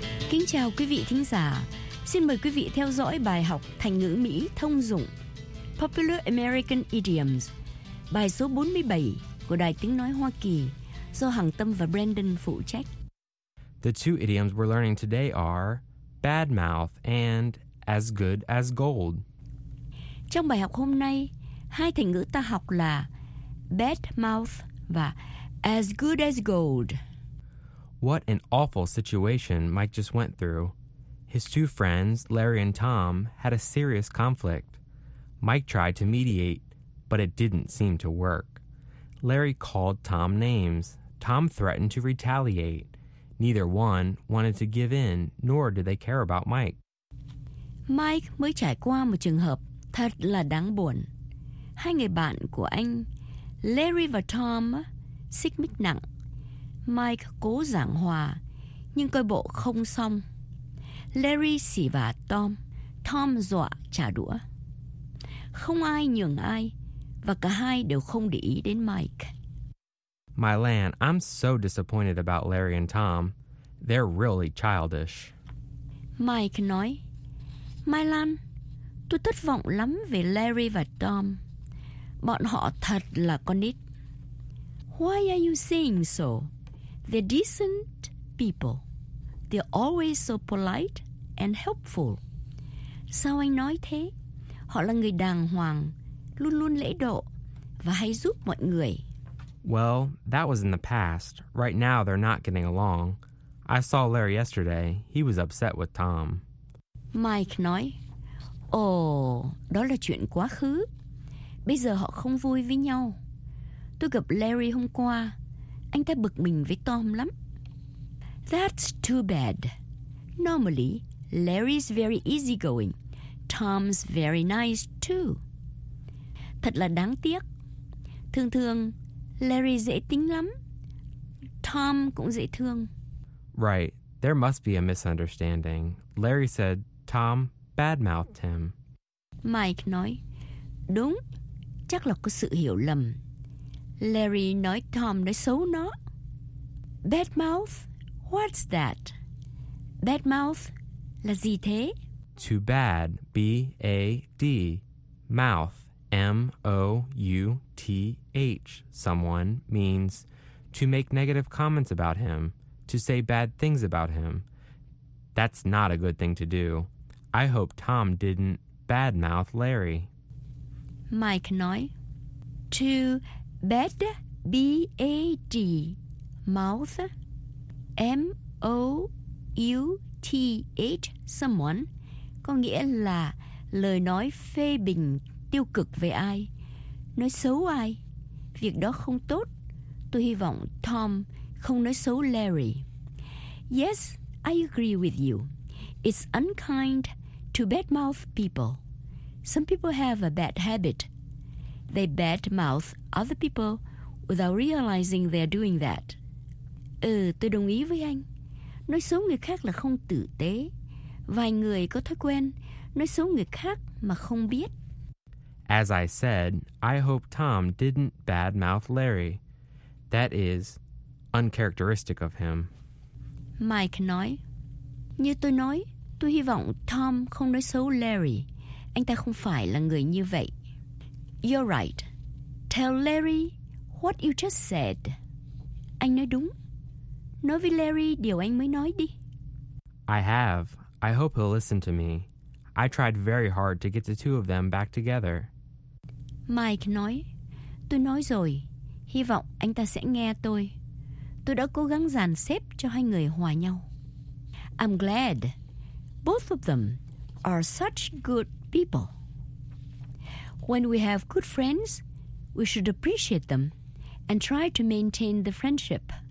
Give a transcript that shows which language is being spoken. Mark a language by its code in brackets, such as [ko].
[vi] Kính chào quý vị thính giả. Xin mời quý vị theo dõi bài học thành ngữ Mỹ thông dụng Popular American Idioms, bài số 47 của Đài Tiếng Nói Hoa Kỳ do Hằng Tâm và Brandon phụ trách. [en] The two idioms we're learning today are bad mouth and as good as gold. [vi] Trong bài học hôm nay, hai thành ngữ ta học là bad mouth và as good as gold. [en] What an awful situation Mike just went through. His two friends, Larry and Tom, had a serious conflict. Mike tried to mediate, but it didn't seem to work. Larry called Tom names. Tom threatened to retaliate. Neither one wanted to give in, nor did they care about Mike. [vi] Mike mới trải qua một trường hợp thật là đáng buồn. Hai người bạn của anh, Larry và Tom, xích mích nặng. Mike cố giảng hòa, nhưng coi bộ không xong. Larry xỉ vả Tom, Tom dọa trả đũa. Không ai nhường ai, và cả hai đều không để ý đến Mike. [en] My land, I'm so disappointed about Larry and Tom. They're really childish. [vi] Mike nói, [en] My land, [vi] tôi thất vọng lắm về Larry và Tom. Bọn họ thật là con nít. [en] Why are you saying so? They're decent people. They're always so polite and helpful. [vi] Sao anh nói thế? Họ là người đàng hoàng, luôn luôn lễ độ và hay giúp mọi người. [en] Well, that was in the past. Right now, they're not getting along. I saw Larry yesterday. He was upset with Tom. [vi] Mike nói, đó là chuyện quá khứ. Bây giờ họ không vui với nhau. Tôi gặp Larry hôm qua. Anh ta bực mình với Tom lắm. [en] That's too bad. Normally, Larry's very easygoing. Tom's very nice, too. [vi] Thật là đáng tiếc. Thường thường, Larry dễ tính lắm. Tom cũng dễ thương. [en] Right. There must be a misunderstanding. Larry said Tom badmouthed him. [vi] Mike nói, đúng, chắc là có sự hiểu lầm. Larry nói Tom nói xấu nó. [en] Bad mouth? What's that? [vi] Bad mouth là gì thế? [en] Too bad. B-A-D. Mouth. M-O-U-T-H. Someone means to make negative comments about him, to say bad things about him. That's not a good thing to do. I hope Tom didn't bad mouth Larry. [vi] Mike nói, [en] to bad, B-A-D, mouth, M-O-U-T-H, someone, [vi] có nghĩa là lời nói phê bình tiêu cực về ai, nói xấu ai. Việc đó không tốt. Tôi hy vọng Tom không nói xấu Larry. [en] Yes, I agree with you. It's unkind to badmouth people. Some people have a bad habit. They badmouth other people without realizing they're doing that. [vi] Tôi đồng ý với anh. Nói xấu người khác là không tử tế. Vài người có thói quen nói xấu người khác mà không biết. [en] As I said, I hope Tom didn't badmouth Larry. That is uncharacteristic of him. [vi] Mike nói, như tôi nói, tôi hy vọng Tom không nói xấu Larry. Anh ta không phải là người như vậy. [en] You're right. Tell Larry what you just said. [vi] Anh nói đúng. Nói với Larry điều anh mới nói đi. [en] I have. I hope he'll listen to me. I tried very hard to get the two of them back together. [vi] Mike nói, tôi nói rồi. Hy vọng anh ta sẽ nghe tôi. Tôi đã cố gắng dàn xếp cho hai người hòa nhau. [en] I'm glad. Both of them are such good people. When we have good friends, we should appreciate them and try to maintain the friendship.